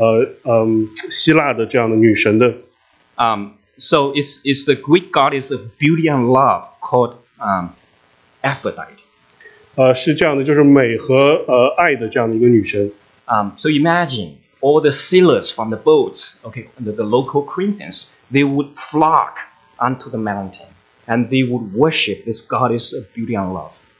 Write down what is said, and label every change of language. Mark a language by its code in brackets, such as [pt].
[zh] 在格林多城呢,在他们这样的山上,它有一个很著名的庙是给这样希腊的这样的女神的。 [en] So it's the Greek goddess of beauty and love called Aphrodite. [zh] 是这样的,就是美和爱的这样的一个女神。 [en] So imagine all the sailors from the boats, okay, the local Corinthians, they would flock onto the mountain and they would worship this goddess of beauty and love.